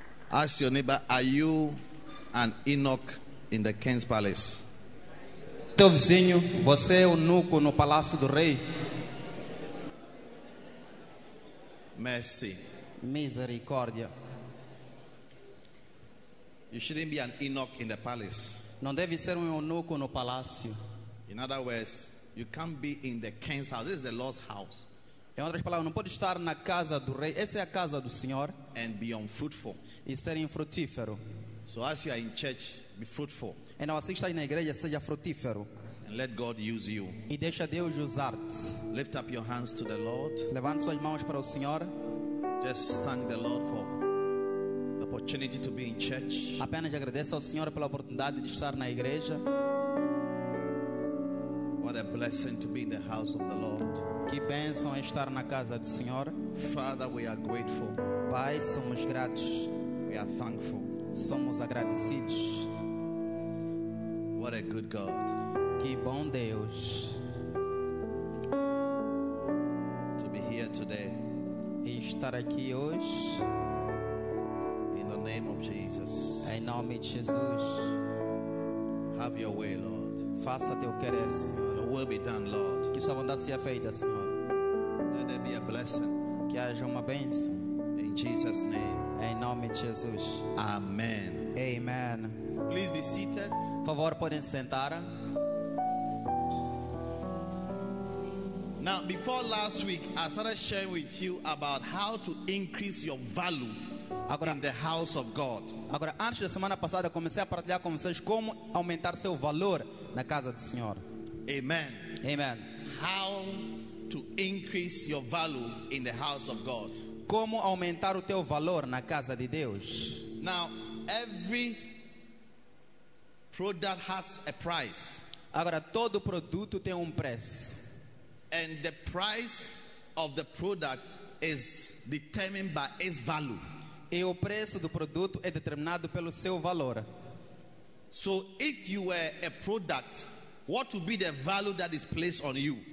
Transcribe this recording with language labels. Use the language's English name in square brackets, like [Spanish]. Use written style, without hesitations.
[English] Ask your neighbor, are you an Enoch in the king's palace? [Portuguese] Teu vizinho, você é eunuco no palácio do rei? [English] Mercy. [Portuguese] Misericórdia. [English] You shouldn't be an Enoch in the palace. [Portuguese] Não deve ser eunuco no palácio. [English] In other words, you can't be in the king's house. This is the Lord's house. [Portuguese] Em outras palavras, não pode estar na casa do rei. Essa é a casa do Senhor. [English] And be unfruitful. [Portuguese] E ser infrutífero. [English] So as you are in church, be fruitful. [Portuguese] Então, assim está na igreja, seja frutífero. [English] And let God use you. [Portuguese] E deixa Deus usar-te. [English] Lift up your hands to the Lord. [Portuguese] Levante suas mãos para o Senhor. [English] Just thank the Lord for the opportunity to be in church. [Portuguese] Apenas agradeça ao Senhor pela oportunidade de estar na igreja. [English] What a blessing to be in the house of the Lord. [Portuguese] Que bênção estar na casa do Senhor. [English] Father, we are grateful. [Portuguese] Pai, somos gratos. [English] We are thankful. [Portuguese] Somos agradecidos. [English] What a good God. [Portuguese] Que bom Deus. [English] To be here today. [Portuguese] E estar aqui hoje. [English] In the name of Jesus. [Portuguese] Em nome de Jesus. [English] Have your way, Lord. [Portuguese] Faça teu querer, Senhor. [English] Your will be done, Lord. [Portuguese] Que sua vontade seja feita, Senhor. [English] Let there be a blessing. [Portuguese] Que haja uma bênção. [English] In Jesus' name. [Portuguese] Em nome de Jesus. Amen. Amen. [English] Please be seated. [Portuguese] Por favor, podem sentar. [English] Now, before last week, I started sharing with you about how to increase your value. [Portuguese] Agora, [English] in the house of God. [Portuguese] Agora, antes da semana passada, eu comecei a partilhar com vocês como aumentar seu valor na casa do Senhor. Amen. Amen. [English] How to increase your value in the house of God. [Portuguese] Como aumentar o teu valor na casa de Deus. [English] Now, every product has a price. [Portuguese] Agora, todo produto tem preço. [English] And the price of the product is determined by its value. [Portuguese] E o preço do produto é determinado pelo seu valor. [English] So if you were a product, what would be the value that is placed on you?